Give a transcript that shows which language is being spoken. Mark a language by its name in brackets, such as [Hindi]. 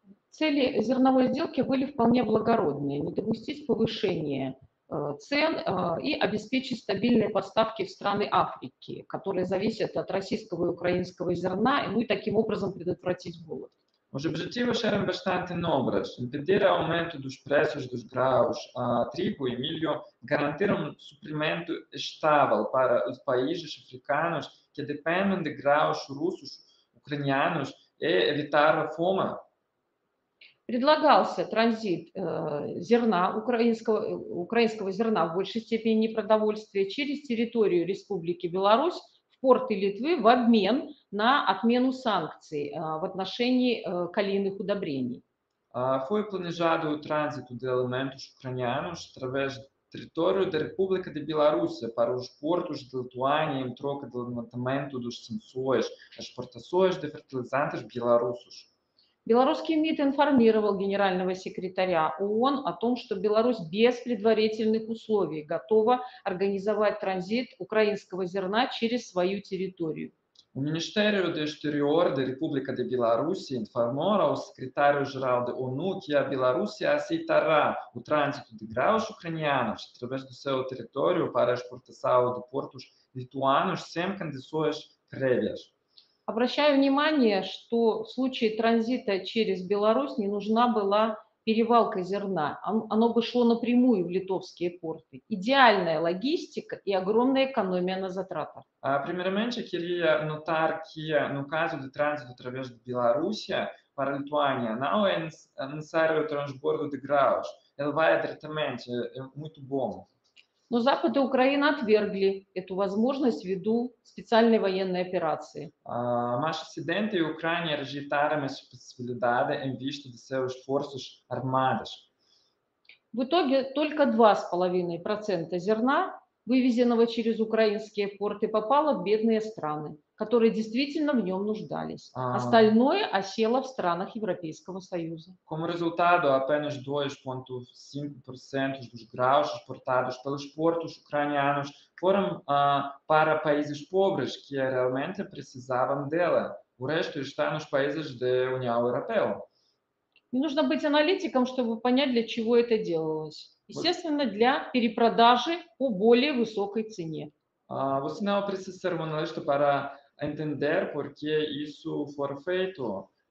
[Russian] Цели зерновой сделки были вполне благородные – не допустить повышения цен и обеспечить стабильные поставки в страны Африки, которые зависят от российского и украинского зерна, и таким образом предотвратить голод. [Portuguese] Os objetivos eram bastante nobres: impedir aumento dos preços dos grãos, trigo e milho, garantir suprimento estável para os países africanos que dependem de grãos russos, ucranianos e evitar a fome. [Russian] Предлагался транзит зерна, украинского зерна в большей степени непродовольствия через территорию Республики Беларусь в порты Литвы в обмен на отмену санкций в отношении калийных удобрений. [Portuguese] Foi planejado o trânsito de alimentos ucranianos através da território da República de Bielorrússia para os portos de Lituânia em troca do levantamento dos sanções às exportações de fertilizantes bielorrussos. [Russian] Белорусский МИД информировал генерального секретаря ООН о том, что Беларусь без предварительных условий готова организовать транзит украинского зерна через свою территорию. [Portuguese] O Ministério de Exterior da República de Bielorrússia informou ao secretário-geral da ONU que a Bielorrússia aceitará o trânsito de grãos ucranianos através do seu território para exportação de portos lituanos sem condições prévias. [Russian] Обращаю внимание, что в случае транзита через Беларусь не нужна была перевалка зерна. Оно бы шло напрямую в литовские порты. Идеальная логистика и огромная экономия на затратах. [Portuguese] Primeiramente, eu queria notar que no caso de trânsito através de Bielorrússia para Lituânia, não é necessário o transbordo de grãos. Ele vai diretamente, é muito bom. [Russian] Но Запад и Украина отвергли эту возможность ввиду специальной военной операции. Наши [Portuguese] Occidente [Russian] и Украина [Portuguese] rejeitaram essa possibilidade em vista de seus forças armadas. [Russian] В итоге только 2,5% зерна, вывезенного через украинские порты, попало в бедные страны, которые действительно в нем нуждались. Остальное осело в странах Европейского Союза. [Portuguese] Como resultado, apenas 2,5% dos grãos exportados pelos portos ucranianos foram para países pobres, que realmente precisavam dela. O resto está nos países da União Europeia. [Russian] Не нужно быть аналитиком, чтобы понять, для чего это делалось. Естественно, для перепродажи по более высокой цене. [Portuguese] Você não precisa ser um analista para entender por que isso foi feito.